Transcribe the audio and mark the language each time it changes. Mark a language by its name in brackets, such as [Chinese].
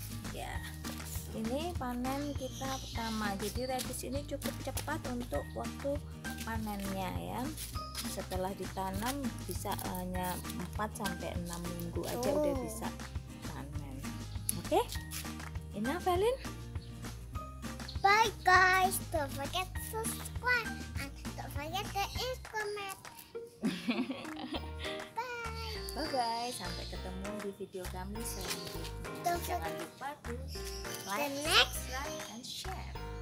[Indonesian] Ya, ini panen kita pertama. Jadi radish ini cukup cepat untuk waktu panennya, ya. Setelah ditanam bisa hanya 4-6 minggu aja udah bisa panen. [English] Oke? Okay? Enough, Ellen? Bye guys, don't forget to subscribe and don't forget to comment. Bye. Bye guys, [Indonesian] sampai ketemu di video kami selanjutnya. [English] Don't [Indonesian] jangan lupa [English] to like, subscribe, and share.